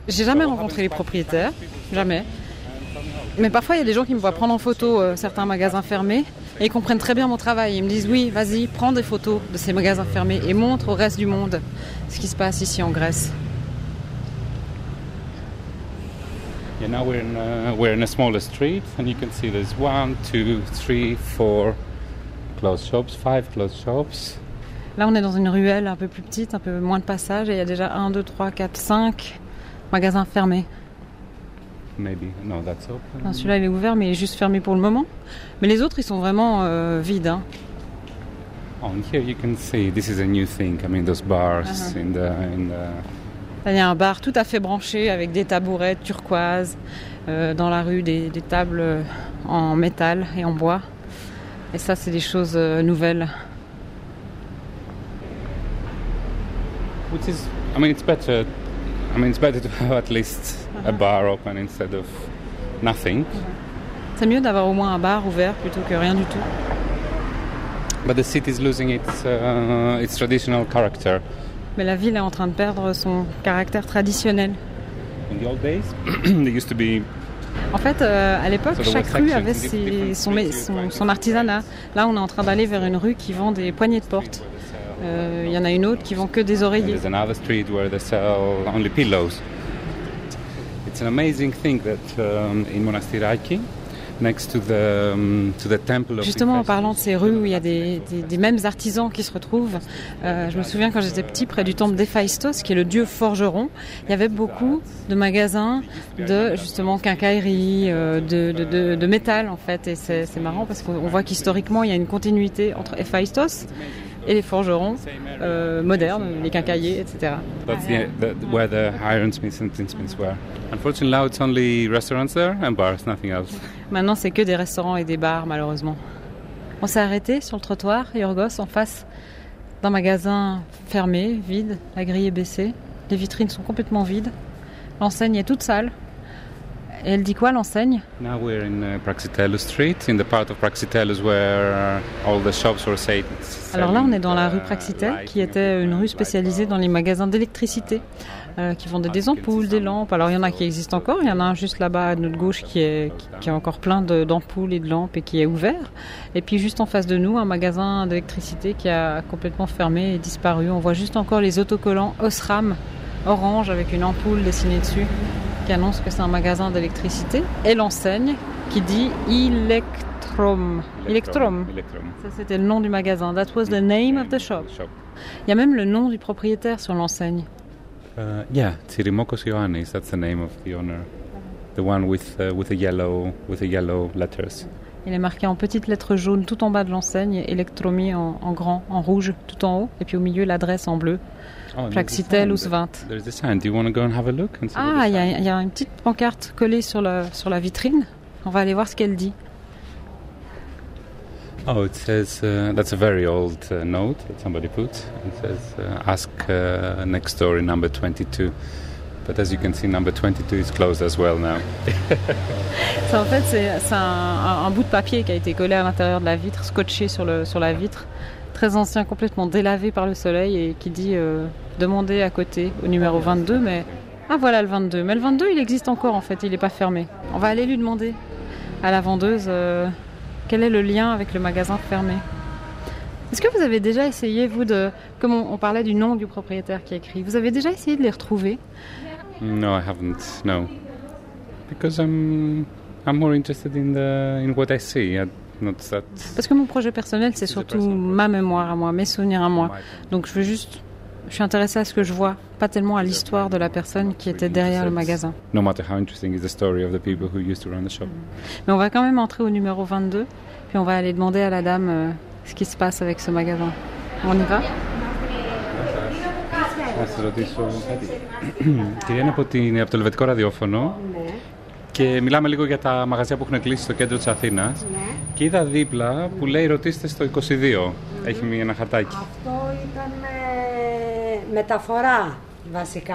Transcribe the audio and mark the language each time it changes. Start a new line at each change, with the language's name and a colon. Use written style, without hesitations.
French: J'ai jamais rencontré les propriétaires. Jamais. Mais parfois, il y a des gens qui me voient prendre en photo certains magasins fermés et ils comprennent très bien mon travail. Ils me disent « Oui, vas-y, prends des photos de ces magasins fermés et montre au reste du monde ce qui se passe ici en Grèce. »
English: Yeah, now we're in a smaller street and you can see there's 1, 2, 3, 4 closed shops, 5 closed shops.
French: Là, on est dans une ruelle un peu plus petite, un peu moins de passage et il y a déjà 1, 2, 3, 4, 5 magasins fermés.
English: Maybe. No, that's open.
French: Non, celui-là il est ouvert, mais il est juste fermé pour le moment. Mais les autres, ils sont vraiment vides. Hein.
English: On here you can see this is a new thing. I mean those bars in the.
French: Là, il y a un bar tout à fait branché avec des tabourets turquoises dans la rue, des tables en métal et en bois. Et ça, c'est des choses nouvelles.
English: Which is, I mean, it's better. I mean, it's better to have at least a bar open instead of nothing.
French: C'est mieux d'avoir au moins un bar ouvert plutôt que rien du tout.
English: But the city is losing its traditional character.
French: Mais la ville est en train de perdre son caractère traditionnel.
English: In the old days, they used to be.
French: En fait, à l'époque, chaque rue avait son artisanat. Là, on est en train d'aller vers une rue qui vend des poignées de porte. Il y en a une autre qui vend que des oreillers.
English: There's another street where they sell only pillows. It's an amazing thing that in Monastiraki, next to the temple of.
French: Justement, en parlant de ces rues où il y a des mêmes artisans qui se retrouvent, je me souviens quand j'étais petit près du temple d'Héphaïstos, qui est le dieu forgeron, il y avait beaucoup de magasins de justement quincaillerie, de métal en fait, et c'est marrant parce qu'on voit qu'historiquement il y a une continuité entre Héphaïstos et les forgerons modernes, les quincaillers, etc.
English: That's where the ironsmiths and tinsmiths were. Unfortunately, now it's only restaurants there and bars, nothing else.
French: Maintenant, c'est que des restaurants et des bars, malheureusement. On s'est arrêté sur le trottoir, Yorgos, en face d'un magasin fermé, vide, la grille est baissée. Les vitrines sont complètement vides. L'enseigne est toute sale. Et elle dit quoi, l'enseigne?
English: Now we're in Praxiteles Street, in the part of Praxiteles where all the shops were selling.
French: Alors là, on est dans la rue Praxiteles, qui était une rue spécialisée dans les magasins d'électricité. qui vendaient des ampoules, des lampes. Alors il y en a qui existent encore, il y en a un juste là-bas à notre gauche qui a encore plein d'ampoules et de lampes et qui est ouvert. Et puis juste en face de nous, un magasin d'électricité qui a complètement fermé et disparu. On voit juste encore les autocollants Osram orange avec une ampoule dessinée dessus qui annonce que c'est un magasin d'électricité. Et l'enseigne qui dit Electrum. Ça, c'était le nom du magasin.
English: That was the name of the shop.
French: Il y a même le nom du propriétaire sur l'enseigne.
English: Yeah, Tsirimokos Ioannis. That's the name of the owner. The one with the yellow letters.
French: Il est marqué en petites lettres jaunes tout en bas de l'enseigne, Electromi en grand, en rouge, tout en haut, et puis au milieu l'adresse en bleu. Plaxitel ou Svint.
English: There's a sign. Do you want to go and have a look?
French: Ah, il y a une petite pancarte collée sur la vitrine. On va aller voir ce qu'elle dit.
English: Oh, it says that's a very old note that somebody put. It says ask next door in number 22. But as you can see, number 22 is closed as well now.
French: Ça, en fait, c'est un bout de papier qui a été collé à l'intérieur de la vitre, scotché sur la vitre, très ancien, complètement délavé par le soleil, et qui dit demandez à côté au numéro 22. Mais ah, voilà le 22. Mais le 22, il existe encore, en fait, il n'est pas fermé. On va aller lui demander à la vendeuse. Quel est le lien avec le magasin fermé? Est-ce que vous avez déjà essayé, vous, de... Comme on parlait du nom du propriétaire qui a écrit, vous avez déjà essayé de les retrouver?
English: No, I haven't, no. Because I'm more interested in what I see. Not that...
French: Parce que mon projet personnel, c'est surtout ma mémoire à moi, mes souvenirs à moi. Donc je veux juste... Je suis intéressée à ce que je vois, pas tellement à l'histoire de la personne qui était derrière le magasin.
English: No matter how interesting is the story of the people who used to run the shop.
French: Mais on va quand même entrer au numéro 22, puis on va aller demander à la dame ce qui se passe avec ce magasin. On y va?
Greek: Θα σας ρωτήσω κάτι. Κυρία, είναι από το Λευκό Ραδιόφωνο και μιλάμε λίγο για τα μαγαζιά που έχουν κλείσει στο κέντρο της Αθήνας. Και είδα δίπλα που λέει ρωτήστε στο 22. Έχει ένα χαρτάκι. Αυτό ήταν μεταφορά βασικά.